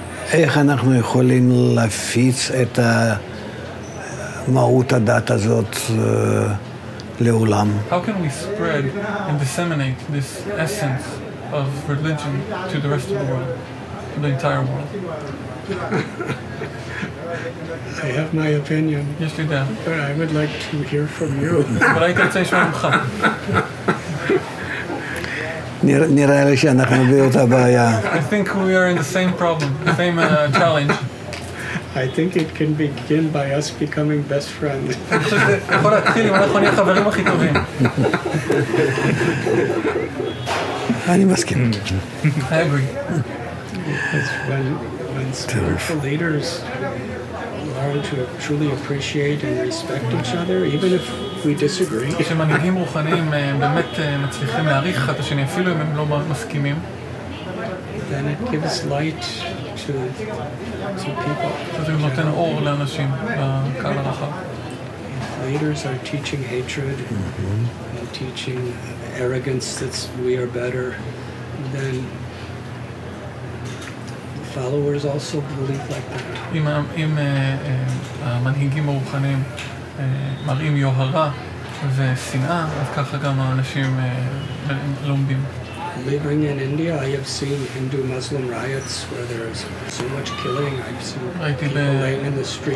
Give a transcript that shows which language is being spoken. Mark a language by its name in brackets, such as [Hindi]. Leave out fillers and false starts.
[Hebrew] ואיך אנחנו יכולים להפיץ את מהות הדת הזאת לעולם? [English] How can we spread and disseminate this essence of religion to the rest of the world, to the entire world? I have my opinion. Yes, you do. But I would like to hear from you. But I can't say שמחה. [Hebrew] נראה לי שאנחנו באותה בעיה. [English] I think we are in the same problem, the same challenge. I think it can begin by us becoming best friends. [Hebrew] יכול להתחיל אם אנחנו נהיה חברים הכי טובים. אני מסכים. [English] I agree. When spiritual leaders learn to truly appreciate and respect each other, even if we disagree. [Hebrew] כשמנהיגים רוחניים באמת מצליחים להעריך אחד את השני, אפילו אם הם לא מסכימים. [English] Then it gives light to people. [Hebrew] זה נותן אור לאנשים בקהל הרחב. [English] Leaders are teaching hatred and teaching arrogance that we are better than followers also believe like that. [Hebrew] אם המנהיגים הרוחניים מראים יוהרה ושנאה, אז ככה גם האנשים לומדים. [English] Living in India, I have seen Hindu-Muslim riots where there is so much killing. I've seen people laying in the street